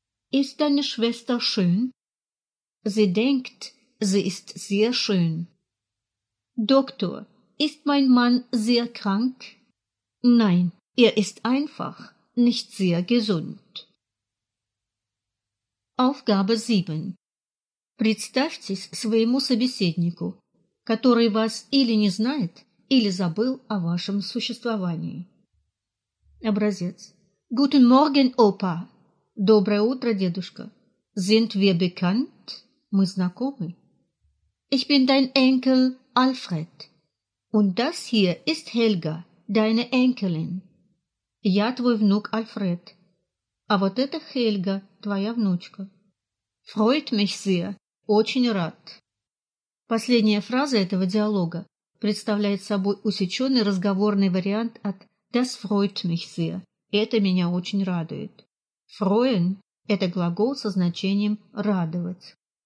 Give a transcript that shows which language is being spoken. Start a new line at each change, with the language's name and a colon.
German: Ist deine Schwester schön? Sie denkt, sie ist sehr schön. Doktor, ist mein Mann sehr krank? Nein, er ist einfach nicht sehr gesund. Aufgabe 7.
Russian: Представьтесь своему собеседнику, который вас или не знает, или забыл о вашем существовании. Образец.
German: Guten Morgen, Opa.
Russian: Доброе утро, дедушка.
German: Sind wir bekannt?
Russian: Мы знакомы.
German: Ich bin dein Enkel, Alfred. Und das hier ist Helga, deine Enkelin.
Russian: Я твой внук, Альфред. А вот это Хельга, твоя внучка.
German: Freut mich sehr.
Russian: Очень рад. Последняя фраза этого диалога представляет собой усеченный разговорный вариант от
German: «Das freut mich sehr».
Russian: Это меня очень радует. «Freuen» – это глагол со значением «радовать».